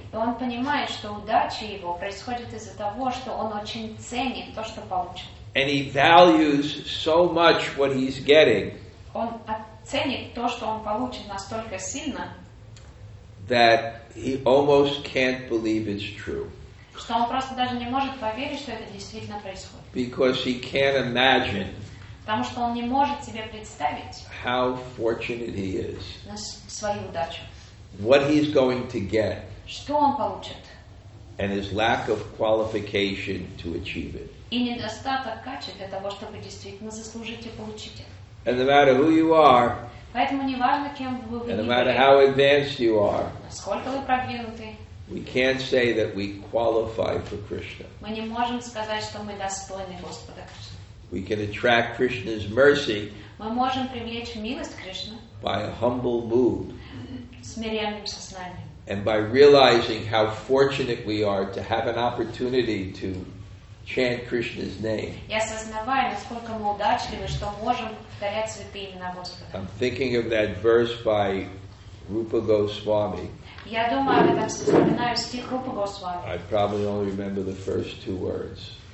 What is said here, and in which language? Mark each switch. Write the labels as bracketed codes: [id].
[ru] Он понимает, что удача его происходит из-за того, что он очень ценит то, что получил. [en] And he values so much what he's getting. [ru] Он оценит то, что он получит настолько сильно, [en] that he almost can't believe it's true. [ru] Что он просто даже не может поверить, что это действительно происходит. [en] Because he can't imagine. [ru] Потому что он не может себе представить. [en] How fortunate he is. [ru] На свою удачу. [en] What he's going to get. [ru] Что он получит. [en] And his lack of qualification to achieve it. [ru] И недостаток качеств для того, чтобы действительно заслужить и получить это. [en] And no matter who you are. [ru] Поэтому не важно, кем вы. [en] And no matter how advanced you are. [ru] Насколько вы продвинуты. [en] We can't say that we qualify for Krishna. [ru] Мы не можем сказать, что мы достойны Господа Кришны. [en] We can attract Krishna's mercy. [ru] Мы можем привлечь милость Кришны. [en] By a humble mood. [ru] Смиренным сознанием. [en] And by realizing how fortunate we are to have an opportunity to chant Krishna's name. [ru] Я осознаваю, насколько мы удачливы, что можем повторять святые имена Господа. [en] I'm thinking of that verse by Rupa Goswami. [ru] Я думаю об этом, вспоминаю стих Рупа Госвами. [en] I probably only remember the first two words.